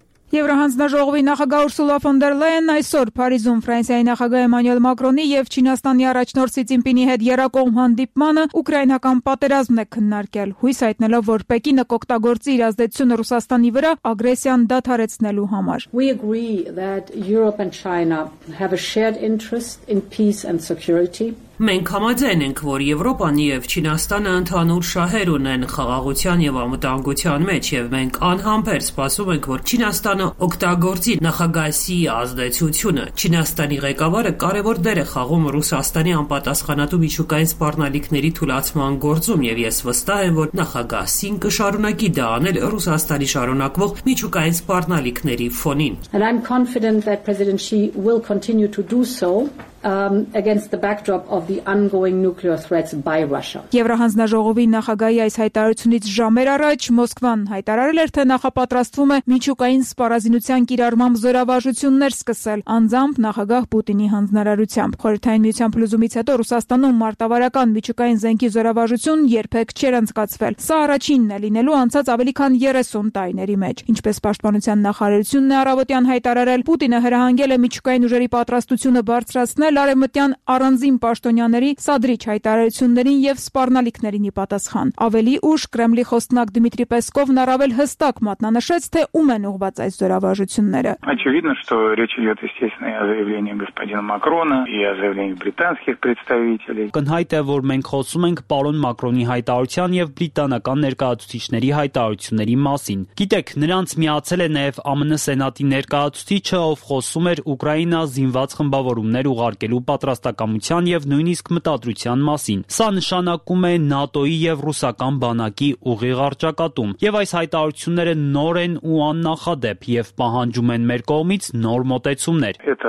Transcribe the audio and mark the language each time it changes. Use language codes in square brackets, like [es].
[hy] Եվրոհանձնաժողովի նախագահ Ուրսուլա ֆոն դեր Լայեն այսօր Փարիզում Ֆրանսիայի նախագահ Էմանուել Մակրոնի և Չինաստանի առաջնորդ Սի Ցինպինի հետ երկկողմ հանդիպմանը ուկրաինական պատերազմն է քննարկել, հույս հայտնելով, որ Պեկինը կօգտագործի իր ազդեցությունը Ռուսաստանի վրա ագրեսիան դադարեցնելու համար։ [en] We agree that Europe and China have a shared interest in peace and security. [hy] Մենք համաձայն ենք, որ Եվրոպան և Չինաստանը ընդհանուր շահեր ունեն խաղաղության և անվտանգության մեջ, և մենք անհամբեր սպասում ենք, որ Չինաստանը օգտագործի նախագահ Սի ազդեցությունը։ Չինաստանի ղեկավարը կարևոր դեր է խաղում Ռուսաստանի անպատասխանատու միջուկային սպառնալիքների թուլացման գործում, և ես վստահ եմ, որ նախագահ Սին կշարունակի դա անել Ռուսաստանի շարունակվող միջուկային սպառնալիքների ֆոնին։ [en] And I'm confident that President Xi will continue to do so. Against the backdrop of the ongoing nuclear threats by Russia. [hy] Եվրոհանձնաժողովի նախագահի այս հայտարարությունից ժամեր առաջ Մոսկվան հայտարարել էր, թե նախապատրաստվում է միջուկային սպառազինության կիրառմամբ զորավարժություններ սկսել, անձամբ նախագահ Պուտինի հանձնարարությամբ։ Խորհրդային միության փլուզումից հետո Ռուսաստանում մարտավարական միջուկային զենքի զորավարժություն երբեք չէր անցկացվել։ Սա առաջինն է լինելու անցած ավելի քան 30 տարիների մեջ։ Ինչպես Պաշտպանության նախարարությունն է առավոտյան հայտարարել, Պուտինը հրահանգել է միջուկային ուժերի պատրաստությունը բարձրացնել է Լարեմտյան առանձին պաշտոնյաների Սադրիչ հայտարարություններին եւ սպառնալիքներին ի պատասխան։ Ավելի ուշ Կրեմլի խոստնակ Դմիտրի Պեսկովն առավել հստակ մատնանշեց, թե ում են ուղված այս զորավարժությունները։ [ru] Очевидно, что речь идёт, естественно, о заявлении господина Макрона и о заявлении британских представителей. [hy] Կնհայտ է, որ մենք խոսում ենք պարոն Մակրոնի հայտարարության եւ բրիտանական ներկայացուցիչների հայտարարությունների մասին։ Գիտեք, նրանց միացել է նաեւ ԱՄՆ սենատի ներկայացուցիչը, ով խոսում էր Ուկրաինա զինված խմբավորումներ ուղարկելու պատրաստակամության եւ նույնիսկ մտադրության մասին։ Սա նշանակում է ՆԱՏՕ-ի եւ ռուսական բանակի ուղիղ արճակատում, եւ այս հայտարարությունները նոր են ու աննախադեպ եւ պահանջում են մեր կողմից նոր մոտեցումներ։